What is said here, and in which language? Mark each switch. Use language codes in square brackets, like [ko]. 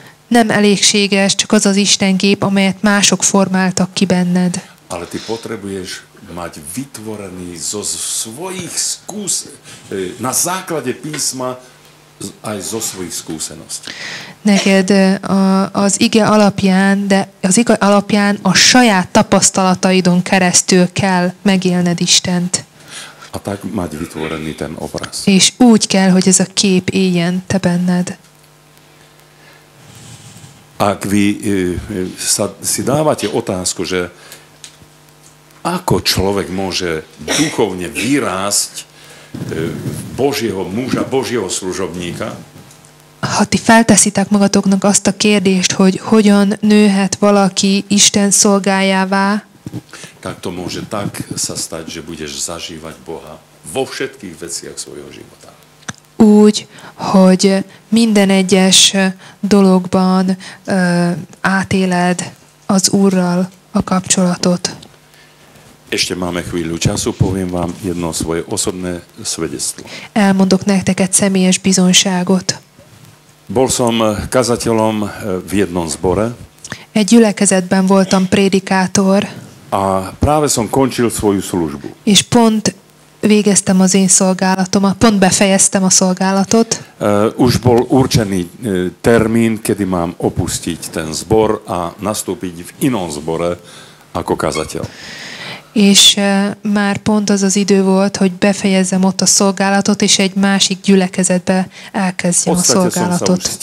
[hu] Nem elégséges, csak az az Isten kép, amelyet mások formáltak ki benned. [sk] Ale ty potrebuješ mať vytvorený zo svojich na základe písma aj zo svojich skúseností. [hu] Neked az ige alapján, de az ige alapján a saját tapasztalataidon keresztül kell megélned Istent. [sk] A tak mať vytvorený ten obraz. [hu] És úgy kell, hogy ez a kép éljen te benned. [sk] Ak vy si dávate otázku, že ako človek môže duchovne vyrásť Božieho muža, Božieho služobníka? [hu] Ha ti felteszitek magatoknak azt a kérdést, hogy hogyan nőhet valaki Isten szolgájává, [sk] tak to môže tak sa stať, že budeš zažívať Boha vo všetkých veciach svojho života. [hu] Úgy, hogy minden egyes dologban átéled az Úrral a kapcsolatot. [sk] Ešte máme chvíľu času, poviem vám jedno svoje osobné svedectvo. [hu] Elmondok nektek egy személyes bizonyságot. [sk] Bol som kazateľom v jednom zbore. [hu] Egy gyülekezetben voltam prédikátor. [sk] A práve som končil svoju službu. [hu] És pont végeztem az én szolgálatomat, pont befejeztem a szolgálatot. [sk] Už bol určený termín, kedy mám opustiť ten zbor a nastúpiť v inom zbore ako kazateľ. [hu] És már pont az az idő volt, hogy befejezzem ott a szolgálatot, és egy másik gyülekezetbe elkezdjem a szolgálatot.